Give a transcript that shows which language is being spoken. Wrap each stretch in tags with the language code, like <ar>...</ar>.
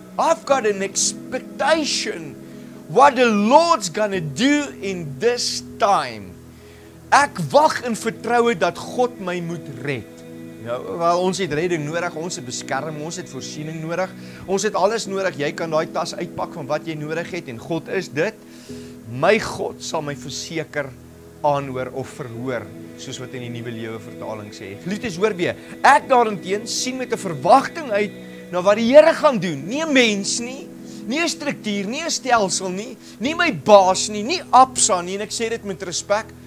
<en>I've got an expectation what the Lord's gonna do in this time."</en> <af>Ek wag in vertroue dat God my moet red. Nou, wel, ons het redding nodig, ons het beskerm, ons het voorsiening nodig, ons het alles nodig. Jy kan daai tas uitpak van wat jy nodig het, en God is dit: "My God sal my verseker aanhoor of verhoor," soos wat in die Nuwe Lewe Vertaling sê. Geliefdes, hoor weer, ek daarenteen sien met 'n verwagting uit na wat die Here gaan doen. Nie 'n mens nie, nie 'n struktuur, nie 'n stelsel nie, nie my baas nie, nie APSA nie, en ek sê dit met respek.</af>